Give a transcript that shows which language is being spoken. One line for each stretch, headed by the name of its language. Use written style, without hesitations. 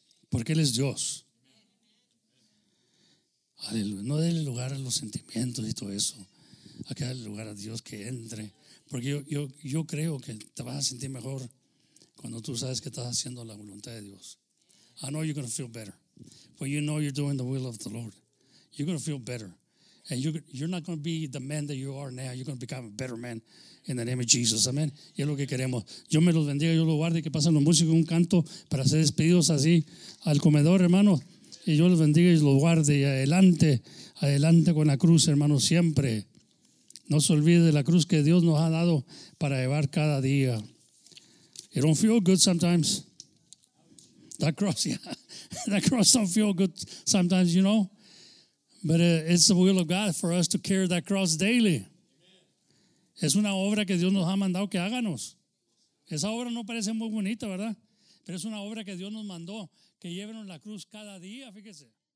Spanish: Porque Él es Dios. Aleluya. No déle lugar a los sentimientos y todo eso. Hay que darle lugar a Dios que entre. Porque yo creo que te vas a sentir mejor cuando tú sabes que estás haciendo la voluntad de Dios.
English: I know you're going to feel better. When you know you're doing the will of the Lord, you're going to feel better. And you're not going to be the man that you are now. You're going to become a better man in the name of Jesus.
Spanish: Amen. Y es lo que queremos. Yo me los bendiga, yo los guarde. Que pasen los músicos un canto para ser despedidos así al comedor, hermano. Y yo los bendiga y los guarde. Y adelante, adelante con la cruz, hermano, siempre. No se olvide de la cruz que Dios nos ha dado para llevar cada día.
English: It don't feel good sometimes. That cross, yeah. That cross don't feel good sometimes, you know. But it's the will of God for us to carry that cross daily. Amen.
Spanish: Es una obra que Dios nos ha mandado que háganos. Esa obra no parece muy bonita, ¿verdad? Pero es una obra que Dios nos mandó que llevemos la cruz cada día, fíjese.